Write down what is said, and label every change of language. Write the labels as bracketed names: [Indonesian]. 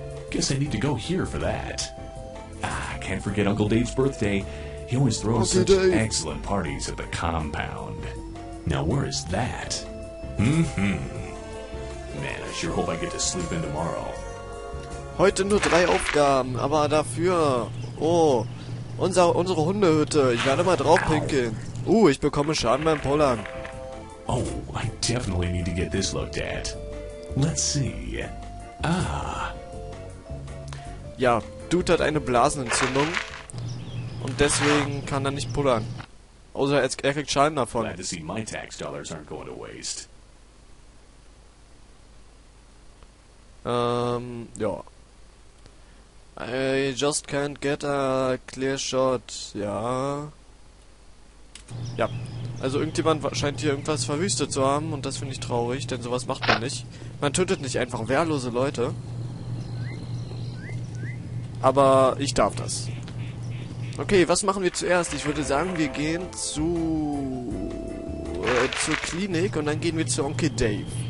[English] Guess I need to go here for that. Can't forget Uncle Dave's birthday. He always throws Uncle such Dave. excellent parties at the compound. Now where is that? Man, I sure hope I get to sleep in tomorrow. [German] Heute nur drei Aufgaben, aber dafür. Oh. Unsere Hundehütte. Ich werde mal drauf pinkeln. Ich bekomme Schaden beim Pullern. [English] Oh, I definitely need to get this looked at. Let's see. [German] Ja, Dude hat eine Blasenentzündung. Und deswegen kann er nicht pullern. Außer er kriegt Schaden davon. [English] Glad to see my tax dollars aren't going to waste. [German] Ja. [English] I just can't get a clear shot. [German] Ja. Ja. Also irgendjemand scheint hier irgendwas verwüstet zu haben und das finde ich traurig, denn sowas macht man nicht. Man tötet nicht einfach wehrlose Leute. Aber ich darf das. Okay, was machen wir zuerst? Ich würde sagen, wir gehen zu zur Klinik und dann gehen wir zu Onkel Dave.